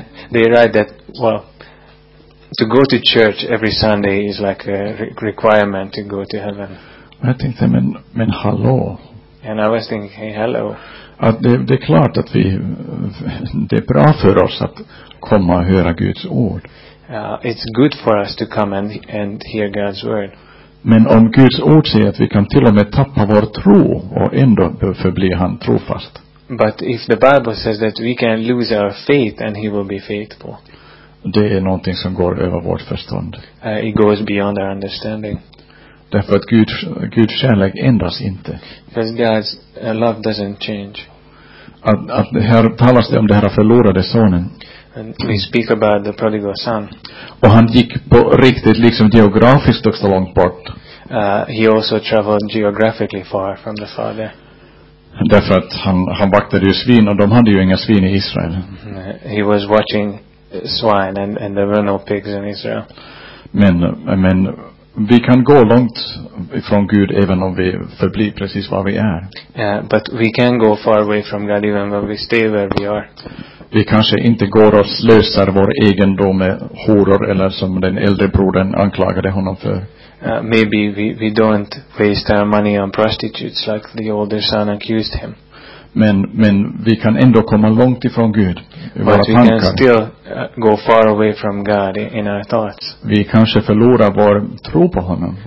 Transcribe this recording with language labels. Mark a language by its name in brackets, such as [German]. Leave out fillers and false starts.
[English] They write that, well, to go to church every Sunday is like a requirement to go to heaven. [Swedish] Jag tänkte, men hallå. [English] And I was thinking, hey, hello. [Swedish] Att det är klart att vi det är bra för oss att komma och höra Guds ord. [English] It's good for us to come and hear God's word. [Swedish] Men om Guds ord säger att vi kan till och med tappa vår tro och ändå förbli han trofast. [English] But if the Bible says that we can lose our faith and he will be faithful. [Swedish] Det är någonting som går över vårt förstånd. [English] It goes beyond our understanding. [Swedish] Därför att Guds kärlek ändras inte. [English] Because God's love doesn't change. [Swedish] Att här talas det om den här förlorade sonen. [English] And we speak about the prodigal son. [Swedish] Och han gick på riktigt liksom geografiskt också långt bort. [English] He also traveled geographically far from the father. [Swedish] Därför att han vaktade ju svin och de hade ju inga svin i Israel. [English] He was watching swine and there were no pigs in Israel. [Swedish] Men vi kan gå långt ifrån Gud även om vi förblir precis var vi är. [English] Yeah, but we can go far away from God even when we stay where we are. [Swedish] Vi kanske inte går och slösar vår egendom med horor eller som den äldre brodern anklagade honom för. [English] Maybe we don't waste our money on prostitutes like the older son accused him. [Swedish] Men vi kan ändå komma långt ifrån Gud. [English] But we can still go far away from God in our thoughts. [Swedish] Vi kanske förlorar vår tro på honom.